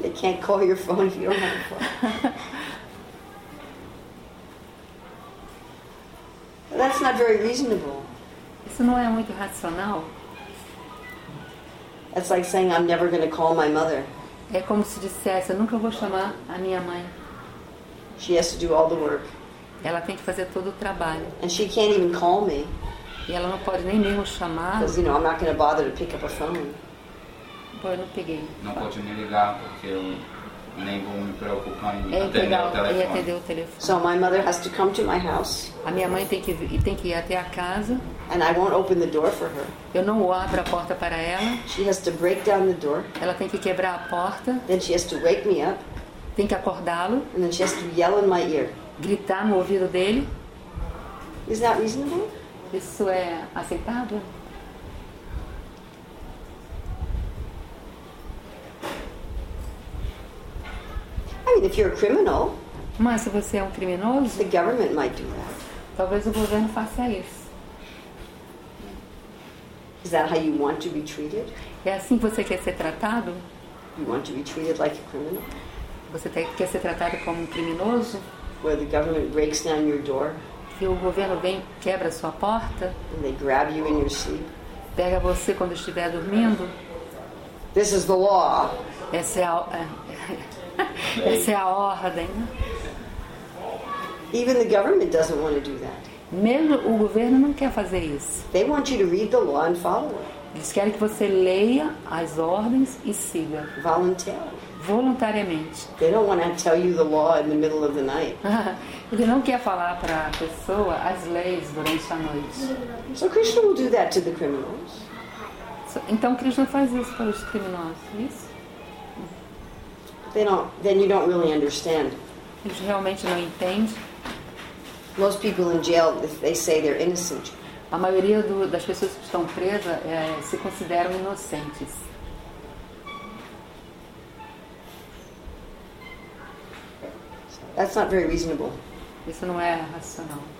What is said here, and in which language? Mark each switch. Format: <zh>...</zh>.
<en>They can't call your phone if you don't have a phone. That's not very reasonable.</en> <pt>Isso não é muito racional.</pt> <en>It's like saying I'm never going to call my mother.</en> <pt>É como se dissesse, eu nunca vou chamar a minha mãe.</pt> <en>She has to do all the work.</en> <pt>Ela tem que fazer todo o trabalho.</pt> <en>And she can't even call me.</en> <pt>E ela não pode nem mesmo chamar.</pt> <en>Because, you know, I'm not going to bother to pick up a phone.</en> <pt>Pô, eu não peguei. Não pode me ligar porque eu nem vou me preocupar em atender o telefone.</pt> <en>So my mother has to come to my house.</en> <pt>A minha mãe tem que ir até a casa.</pt> <en>And I won't open the door for her.</en> <pt>Eu não abro a porta para ela.</pt> <en>She has to break down the door.</en> <pt>Ela tem que quebrar a porta.</pt> <en>Then she has to wake me up.</en> <pt>Tem que acordá-lo.</pt> <en>And then she has to yell in my ear.</en> <pt>Gritar no ouvido dele.</pt> <en>Is that reasonable?</en> <pt>Isso é aceitável?</pt> <en>I mean, if you're a criminal,</en> <pt>mas se você é um criminoso,</pt> <en>the government might do that.</en> <pt>Talvez o governo faça isso.</pt> <en>Is that how you want to be treated?</en> <pt>É assim que você quer ser tratado?</pt> <en>You want to be treated like a criminal?</en> <pt>Você quer ser tratado como um criminoso?</pt> <en>Where the government breaks down your door?</en> <pt>Que o governo vem quebra a sua porta?</pt> <en>And they grab you in your sleep?</en> <pt>Pega você quando estiver dormindo?</pt> <en>This is the law.</en> <pt>Essa é a ordem.</pt> <en>Even the government doesn't want to do that.</en> <pt>Mesmo o governo não quer fazer isso.</pt> <en>They want you to read the law and follow it.</en> <pt>Eles querem que você leia as ordens e siga. Voluntariamente.</pt> <en>They don't want to tell you the law in the middle of the night.</en> <pt>Ele não quer falar para a pessoa as leis durante a noite.</pt> <en>So Krishna will do that to the criminals.</en> <pt>Então Krishna faz isso para os criminosos, isso?</pt> <en>Then you don't really understand.</en> <pt>Eles realmente não entendem.</pt> <en>Most people in jail, if they say they're innocent.</en> <pt>A maioria das pessoas que estão presas se consideram inocentes.</pt> <en>That's not very reasonable.</en> <pt>Isso não é racional.</pt>